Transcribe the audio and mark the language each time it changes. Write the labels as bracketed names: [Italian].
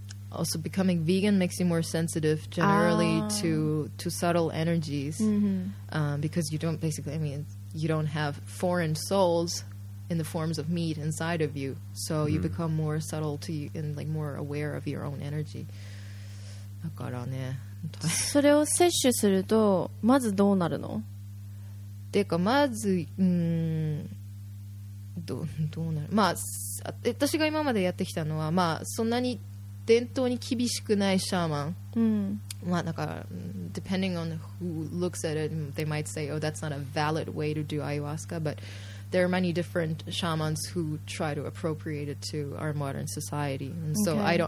[English] Also, becoming vegan makes you more sensitive generally to subtle energies, because you don't have foreign souls in the forms of meat inside of you, so you become more subtle to you and like more aware of your own energy. [Japanese] だからね。それを摂取するとまずどうなるの？ていうかまずどうなる、まあ、私が今までやってきたのは、まあ、そんなに伝統に厳しくないシャーマン、うん、まあなんか [English] depending on who looks at it they might say oh that's not a valid way to do ayahuasca but there are many different shamans who try to appropriate it to our modern society and so okay.